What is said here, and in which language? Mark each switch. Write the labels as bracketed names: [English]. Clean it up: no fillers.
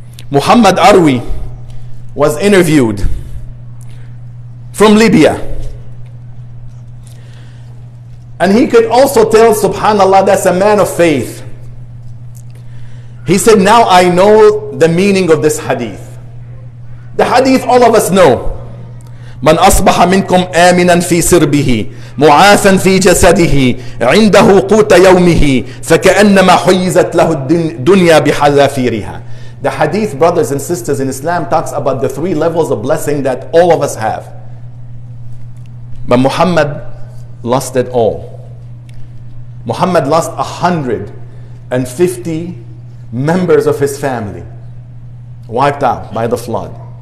[English] Muhammad Arwi was interviewed from Libya. And he could also tell, subhanAllah, that's a man of faith. He said, now I know the meaning of this hadith. The hadith all of us know. [Arabic] من أصبح منكم آمنا في سربه معافا في جسده عنده قوت يومه فكأنما حيزت له الدنيا بحذافيرها. [English] The hadith, brothers and sisters in Islam, talks about the three levels of blessing that all of us have. But Muhammad lost it all. Muhammad lost 150 members of his family, wiped out by the flood.